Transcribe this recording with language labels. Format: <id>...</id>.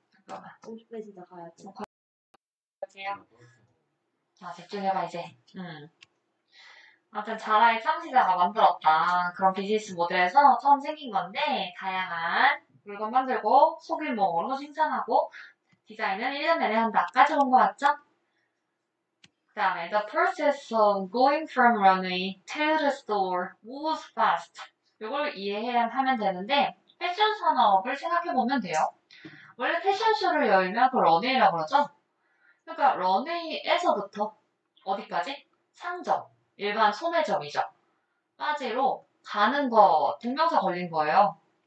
<ko>잠깐만. 50배 진짜 가야 돼요. 자, 집중해봐 이제. 아무튼 자라의 창시자가 만들었다. 그런 비즈니스 모델에서 처음 생긴 건데 다양한 물건 만들고 소규모로 생산하고 디자인은 1년 내내 한다까지 온거 같죠? 그 다음에</ko> <en>the process of going from runway to the store was fast.</en> <ko>이걸 이해해야 하면 되는데 패션 산업을 생각해 보면 돼요. 원래 패션쇼를 열면 그걸 런웨이라고 그러죠. 그러니까 런웨이에서부터 어디까지? 상점, 일반 소매점이죠. 빠지로 가는 거 등명사 걸린 거예요.</ko>